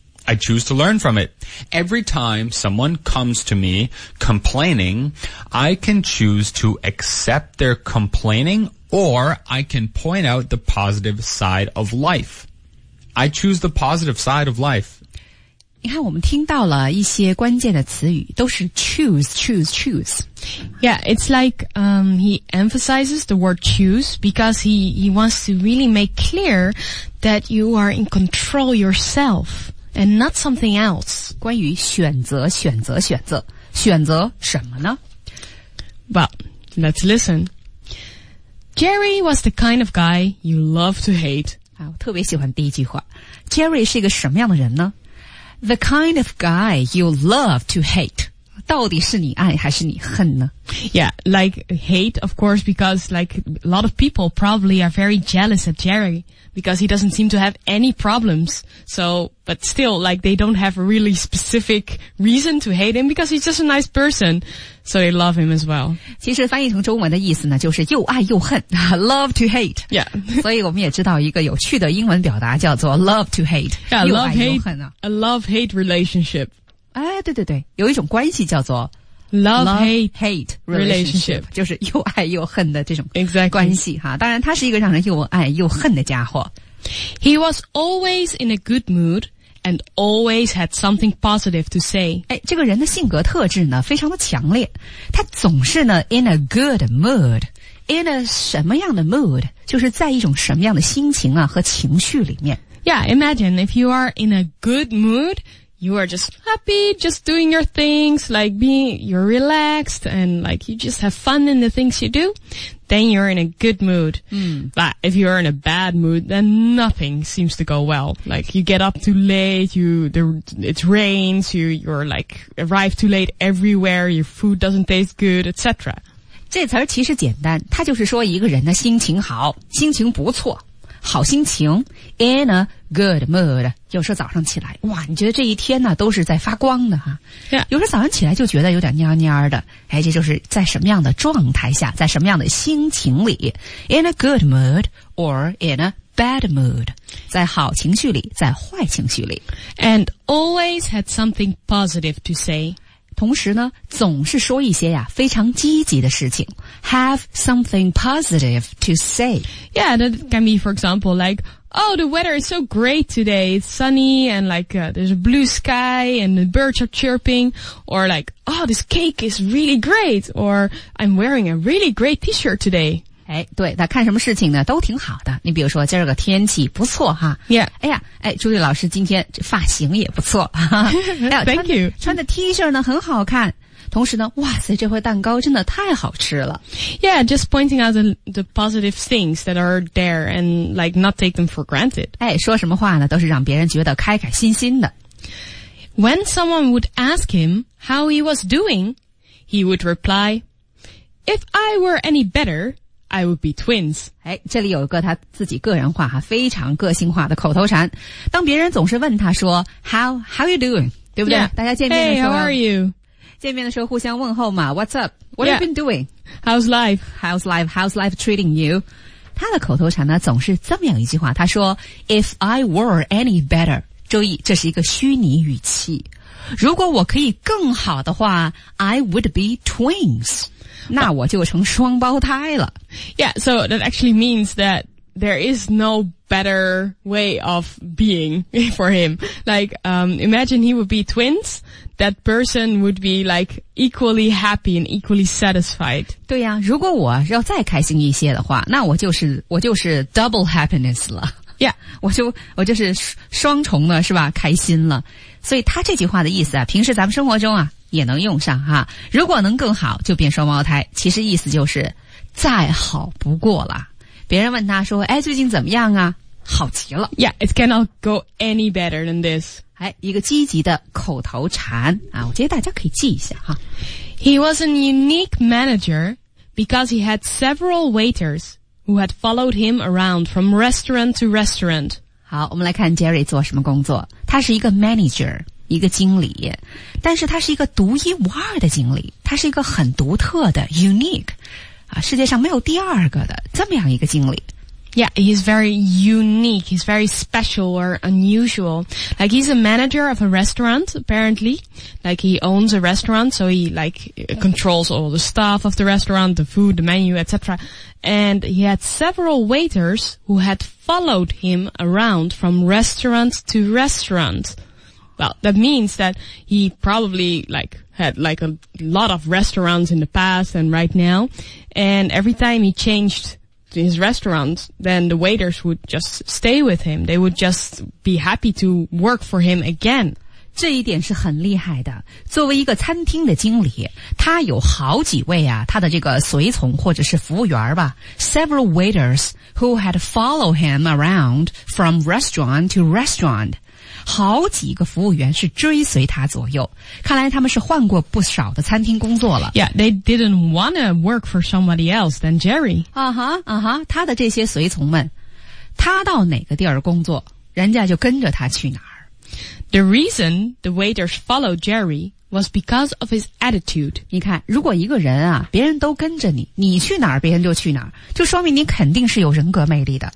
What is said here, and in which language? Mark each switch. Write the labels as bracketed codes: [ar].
[en] I choose to learn from it. Every time someone comes to me complaining, I can choose to accept their complaining, or I can point out the positive side of life. I choose the positive side of life. [zh] 你看我们听到了一些关键的词语都是 choose, choose, choose. [en] Yeah, it's like, he emphasizes the word choose because he wants to really make clear that you are in control yourself and not something else. [zh] 关于选择选择选择选择什么呢 [en] Well, let's listen. Jerry was the kind of guy you love to hate. [zh] 好，我特别喜欢第一句话。Jerry 是一个什么样的人呢？ [en] The kind of guy you love to hate. [zh] 到底是你爱还是你恨呢? [en] Yeah, like hate, of course, because like a lot of people probably are very jealous of Jerry because he doesn't seem to have any problems. So, but still, like they don't have a really specific reason to hate him because he's just a nice person. So they love him as well. [zh] 其实翻译成中文的意思呢就是又爱又恨 [en] love to hate. Yeah. [zh] 所以我们也知道一个有趣的英文表达叫做 [en] love to hate. Yeah, [zh] 又爱又恨啊。 [en] A love-hate relationship. [zh] 哎，对对对，有一种关系叫做 [en] love-hate relationship， [zh] 就是又爱又恨的这种关系哈。 [en] Exactly. [zh] 当然，他是一个让人又爱又恨的家伙。 [en] He was always in a good mood and always had something positive to say. [zh] 哎，这个人的性格特质呢，非常的强烈。他总是呢 [en] in a good mood， [zh] in a 什么样的 mood， 就是在一种什么样的心情啊和情绪里面。 [en] Yeah, imagine if you are in a good mood. You are just happy, just doing your things, like being, you're relaxed, and like you just have fun in the things you do, then you're in a good mood. Mm. But if you're in a bad mood, then nothing seems to go well. Like you get up too late, it rains, you're like arrive too late everywhere, your food doesn't taste good, etc. [zh] 这词儿其实简单，它就是说一个人的心情好，心情不错。好心情 [en] in a good mood [zh] 有时候早上起来哇你觉得这一天呢都是在发光的哈、 [en] yeah. [zh] 有时候早上起来就觉得有点蔫蔫的哎，这就是在什么样的状态下在什么样的心情里 [en] in a good mood or in a bad mood [zh] 在好情绪里在坏情绪里 [en] and always had something positive to say [zh] 同时呢总是说一些呀非常积极的事情 [en] have something positive to say Yeah, that can be, for example, like, oh, the weather is so great today. It's sunny and like, there's a blue sky and the birds are chirping. Or like, oh, this cake is really great. Or I'm wearing a really great t-shirt today. [zh] 哎，对，那看什么事情呢都挺好的。你比如说今儿个天气不错哈。 [en] Yeah. [zh] 哎呀，哎，朱莉老师今天发型也不错。 [en] 哎、Thank you. [zh] 穿的 t-shirt 呢很好看。同时呢哇塞这块蛋糕真的太好吃了。 [en] Yeah, just pointing out the positive things that are there and like not take them for granted. [zh] 哎说什么话呢都是让别人觉得开开心心的。 [en] When someone would ask him how he was doing, he would reply, If I were any better, I would be twins. [zh] 哎这里有一个他自己个人化非常个性化的口头禅。当别人总是问他说 [en] how you doing? [zh] 对不对、 [en] yeah. [zh] 大家见面的时候。 [en] Hey, how are you? [zh] 见面的时候互相问候嘛 [en] What's up? What、 yeah. have you been doing? How's life? How's life? How's life treating you? [zh] 他的口头禅呢总是这么样一句话他说 [en] If I were any better [zh] 注意这是一个虚拟语气如果我可以更好的话 [en] I would be twins [zh] 那我就成双胞胎了 [en] Yeah, so that actually means that there is no better way of being for him Like, imagine he would be twins That person would be like equally happy and equally satisfied. [zh] 对呀、啊、如果我要再开心一些的话那我就是 [en] double happiness [zh] 了。 Yeah, 我就是双重的是吧，开心了。所以他这句话的意思啊，平时咱们生活中啊也能用上哈。如果能更好就变双胞胎，其实意思就是再好不过了。别人问他说，哎，最近怎么样啊，好极了。 [en] Yeah, it cannot go any better than this. [zh] 哎，一个积极的口头禅啊，我觉得大家可以记一下哈。 [en] He was a unique manager because he had several waiters who had followed him around from restaurant to restaurant. [zh] 好，我们来看 Jerry 做什么工作。他是一个 manager, 一个经理。但是他是一个独一无二的经理。他是一个很独特的 unique, 啊，世界上没有第二个的这么样一个经理。 [en] Yeah, he's very unique. He's very special or unusual. Like, he's a manager of a restaurant, apparently. Like, he owns a restaurant, so he, like, controls all the staff of the restaurant, the food, the menu, etc. And he had several waiters who had followed him around from restaurant to restaurant. Well, that means that he probably, like, had, like, a lot of restaurants in the past and right now. And every time he changedin his restaurant, then the waiters would just stay with him. They would just be happy to work for him again. [zh] 这一点是很厉害的。作为一个餐厅的经理，他有好几位啊，他的这个随从或者是服务员吧。 [en] Several waiters who had followed him around from restaurant to restaurant. [zh] 好几个服务员是追随他左右。看来他们是换过不少的餐厅工作了。 [en] Yeah, they didn't want to work for somebody else than Jerry. [zh] 啊哈啊哈，他的这些随从们，他到哪个地儿工作，人家就跟着他去哪儿。 [en] The reason the waiters followed Jerry was because of his attitude. [zh] 你看，如果一个人啊，别人都跟着你，你去哪儿，别人就去哪儿，就说明你肯定是有人格魅力的。